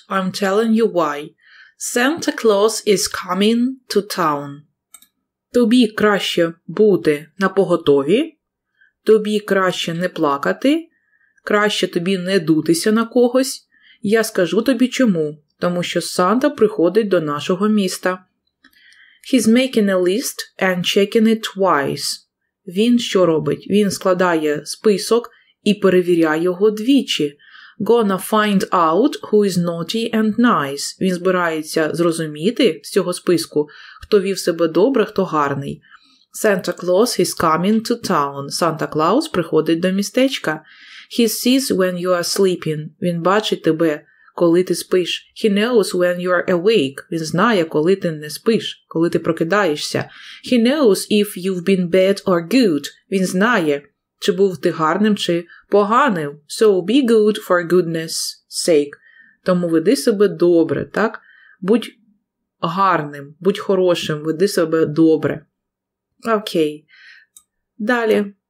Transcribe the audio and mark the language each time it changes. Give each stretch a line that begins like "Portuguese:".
English: I'm telling you why. Santa Claus is coming to town.
Ukrainian: Тобі краще бути напоготові, тобі краще не плакати, краще тобі не дутися на когось. Я скажу тобі чому, тому що Санта приходить до нашого міста.
English: He's making a list and checking it twice.
Ukrainian: Він що робить? Він складає список і перевіряє його двічі.
English: Gonna find out who is naughty and nice.
Ukrainian: Він збирається зрозуміти з цього списку, хто вів себе добре, хто гарний.
English: Santa Claus is coming to town.
Ukrainian: Санта Клаус приходить до містечка.
English: He sees when you are sleeping.
Ukrainian: Він бачить тебе, коли ти спиш.
English: He knows when you are awake.
Ukrainian: Він знає, коли ти не спиш, коли ти прокидаєшся.
English: He knows if you've been bad or good.
Ukrainian: Він знає, чи був ти гарним, чи поганим.
English: So be good for goodness sake.
Ukrainian: Тому веди себе добре, так? Будь гарним, будь хорошим, веди себе добре. Окей. Далі.